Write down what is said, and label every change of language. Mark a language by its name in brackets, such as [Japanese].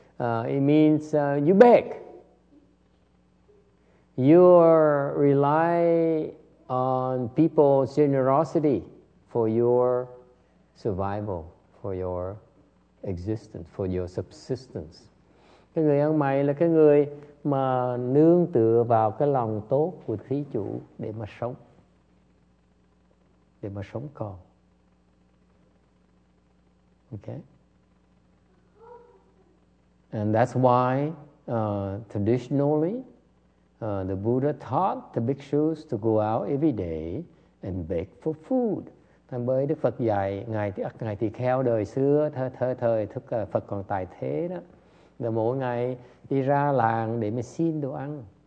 [English] It means you beg. You rely on people's generosity for your survival, for your existence, for your subsistence. [Vietnamese] Cái người ăn mày là cái người mà nương tựa vào cái lòng tốt của thí chủ để mà sống. Để mà sống còn. [English] Okay? And that's why traditionally the Buddha taught the bhikshus to go out every day and beg for food. [Vietnamese] Thành bởi Đức Phật dạy, ngài tỳ kheo đời xưa, thời thức Phật còn tại thế đó. Rồi mỗi ngày đi ra làng để mà xin đồ ăn.